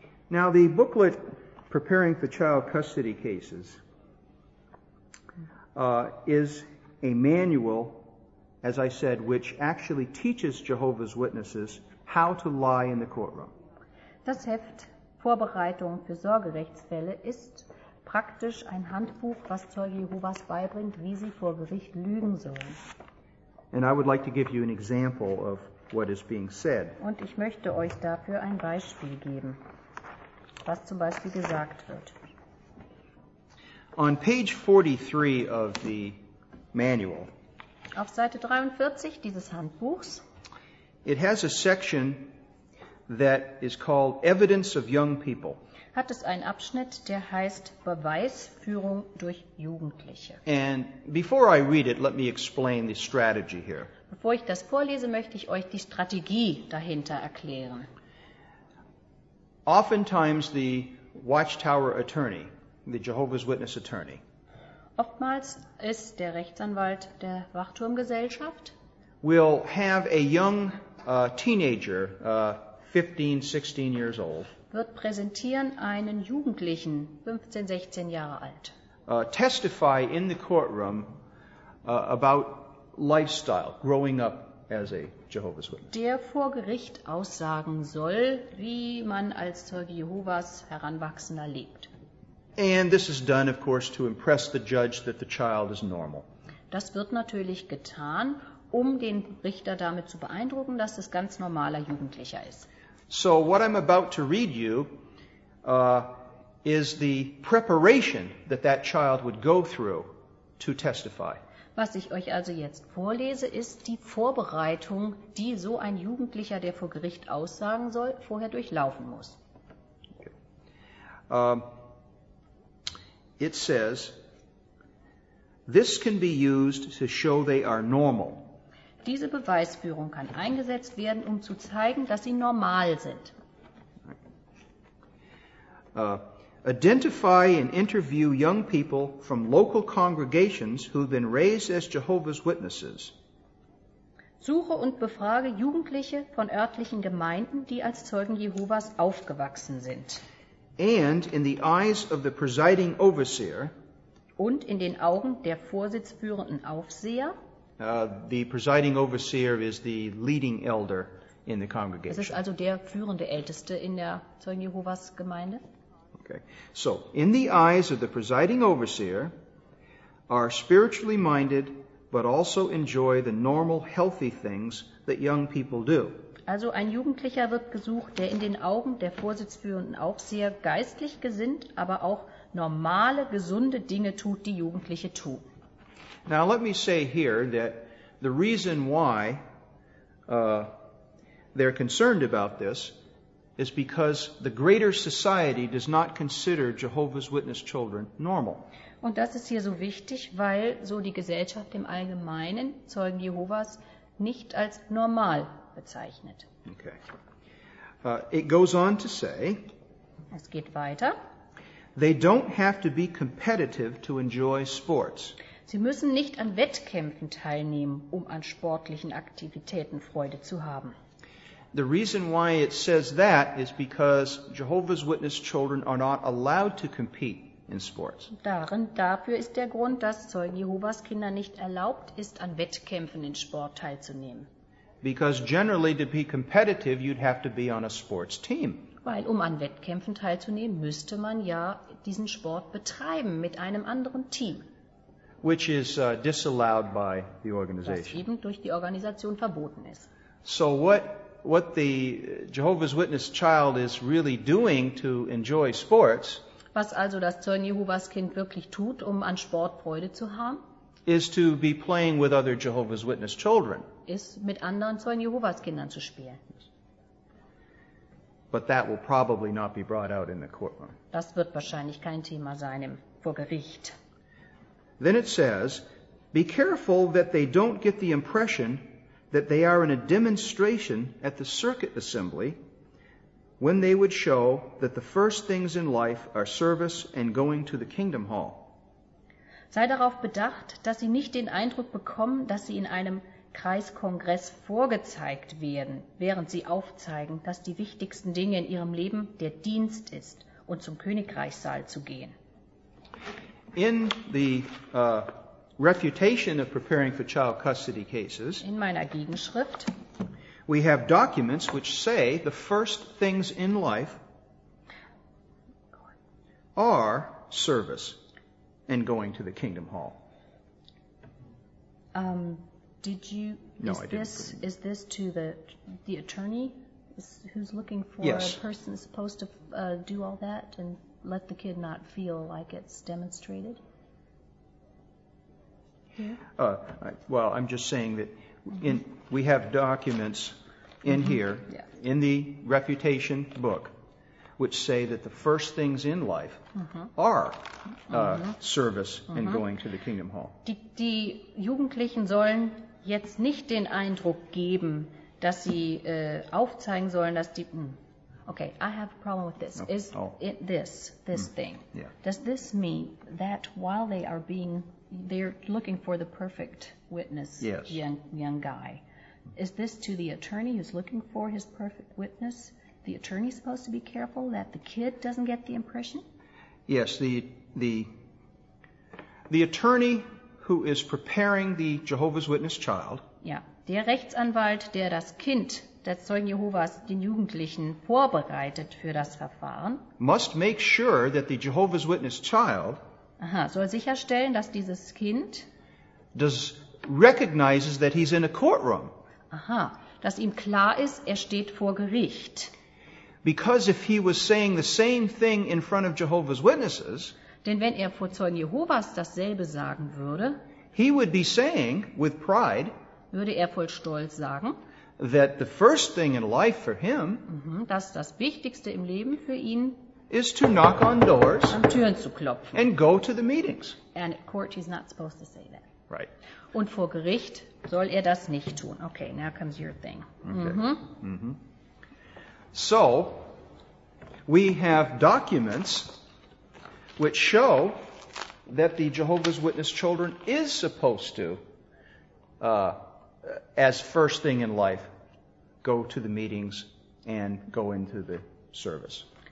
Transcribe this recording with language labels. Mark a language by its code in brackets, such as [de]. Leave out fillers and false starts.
[en] Now the booklet preparing for child custody cases is a manual, as I said, which actually teaches Jehovah's Witnesses how to lie in the courtroom. [de] Das Heft Vorbereitung für Sorgerechtsfälle ist praktisch ein Handbuch, was Zeuge Jehovas beibringt, wie sie vor Gericht lügen sollen. [en] And I would like to give you an example of what is being said. [de] Und ich möchte euch dafür ein Beispiel geben, was zum Beispiel gesagt wird. [en] On page 43 of the manual, [de] auf Seite 43 dieses Handbuchs, [en] it has a section that is called Evidence of Young People. [de] Hat es einen Abschnitt, der heißt Beweisführung durch Jugendliche. [en] And before I read it, let me explain the strategy here. [de] Bevor ich das vorlese, möchte ich euch die Strategie dahinter erklären. [en] Oftentimes the Watchtower attorney, the Jehovah's Witness attorney, [de] oftmals ist der Rechtsanwalt der Wachturmgesellschaft, [en] will have a young teenager, 15, 16 years old, [de] wird präsentieren einen Jugendlichen, 15, 16 Jahre alt, [en] testify in the courtroom about lifestyle, growing up as a Jehovah's Witness. [de] Der vor Gericht aussagen soll, wie man als Zeuge Jehovas Heranwachsender lebt. [en] And this is done, of course, to impress the judge that the child is normal. [de] Das wird natürlich getan, um den Richter damit zu beeindrucken, dass es ganz normaler Jugendlicher ist. [en] So what I'm about to read you is the preparation that that child would go through to testify. [de] Was ich euch also jetzt vorlese, ist die Vorbereitung, die so ein Jugendlicher, der vor Gericht aussagen soll, vorher durchlaufen muss. [en] Okay. It says, this can be used to show they are normal. [de] Diese Beweisführung kann eingesetzt werden, um zu zeigen, dass sie normal sind. [en] Identify and interview young people from local congregations who've been raised as Jehovah's Witnesses. [de] Suche und befrage Jugendliche von örtlichen Gemeinden, die als Zeugen Jehovas aufgewachsen sind. [en] And in the eyes of the presiding overseer, [de] und in den Augen der vorsitzführenden Aufseher, [en] the presiding overseer is the leading elder in the congregation. [de] Es ist also der führende Älteste in der Zeugen Jehovas Gemeinde. [en] Okay. So, in the eyes of the presiding overseer are spiritually minded but also enjoy the normal healthy things that young people do. [de] Also ein Jugendlicher wird gesucht, der in den Augen der vorsitzführenden Aufseher geistlich gesinnt, aber auch normale, gesunde Dinge tut, die Jugendliche tun. [en] Now let me say here that the reason why they're concerned about this is because the greater society does not consider Jehovah's Witness children normal. [de] Und das ist hier so wichtig, weil so die Gesellschaft im Allgemeinen Zeugen Jehovas nicht als normal bezeichnet. [en] Okay. It goes on to say, [de] es geht weiter. [en] They don't have to be competitive to enjoy sports. [de] Sie müssen nicht an Wettkämpfen teilnehmen, um an sportlichen Aktivitäten Freude zu haben. [en] The reason why it says that is because Jehovah's Witness children are not allowed to compete. [de] Dafür ist der Grund, dass Zeugen Jehovas Kinder nicht erlaubt ist, an Wettkämpfen in Sport teilzunehmen. [en] Because generally to be competitive, you'd have to be on a sports team. [de] Weil um an Wettkämpfen teilzunehmen, müsste man ja diesen Sport betreiben mit einem anderen Team. [en] Which is disallowed by the organization. [de] Was eben durch die Organisation verboten ist. [en] So what the Jehovah's Witness child is really doing to enjoy sports? [de] Was also das Zeugen Jehovas Kind wirklich tut, um an Sport Freude zu haben, [en] is to be playing with other Jehovah's Witness children. [de] Ist mit anderen Zeugen Jehovas Kindern zu spielen. [en] But that will probably not be brought out in the courtroom. [de] Das wird wahrscheinlich kein Thema sein vor Gericht. [en] Then it says, be careful that they don't get the impression that they are in a demonstration at the circuit assembly, when they would show that the first things in life are service and going to the kingdom hall. [de] Sei darauf bedacht, dass sie nicht den Eindruck bekommen, dass sie in einem Kreiskongress vorgezeigt werden, während sie aufzeigen, dass die wichtigsten Dinge in ihrem Leben der Dienst ist und zum Königreichssaal zu gehen. [en] In the refutation of preparing for child custody cases, [de] in meiner Gegenschrift, [en] we have documents which say the first things in life are service and going to the kingdom hall. Is this to the attorney who's looking for yes. A person supposed to do all that and let the kid not feel like it's demonstrated? Yeah. I'm just saying that mm-hmm. We have documents in mm-hmm. here, yeah. In the refutation book, which say that the first things in life mm-hmm. are mm-hmm. service mm-hmm. and going to the kingdom hall. [de] Die Jugendlichen sollen jetzt nicht den Eindruck geben, dass sie aufzeigen sollen, dass die... [en] Okay, I have a problem with this. Okay. Is it this thing? Yeah. Does this mean that while they are being... They're looking for the perfect witness, yes. young guy... Is this to the attorney who's looking for his perfect witness? The attorney is supposed to be careful that the kid doesn't get the impression? Yes, the attorney who is preparing the Jehovah's Witness child. [de] Ja, der Rechtsanwalt, der das Kind des Zeugen Jehovas, den Jugendlichen vorbereitet für das Verfahren. [en] Must make sure that the Jehovah's Witness child. [de] Aha, soll sicherstellen, dass dieses Kind. [en] Recognizes that he's in a courtroom. [de] Aha, dass ihm klar ist, er steht vor Gericht. [en] Because if he was saying the same thing in front of Jehovah's Witnesses, [de] denn wenn er vor Zeugen Jehovas dasselbe sagen würde, [en] he would be saying with pride, [de] würde er voll Stolz sagen, [en] that the first thing in life for him, [de] dass das Wichtigste im Leben für ihn, [en] is to knock on doors, [de] an Türen zu klopfen, [en] and go to the meetings. And at court he's not supposed to say that. Right. [de] Und vor Gericht soll er das nicht tun. [en] Okay, now comes your thing. Okay. Mm-hmm. So, we have documents which show that the Jehovah's Witness children is supposed to, as first thing in life, go to the meetings and go into the service.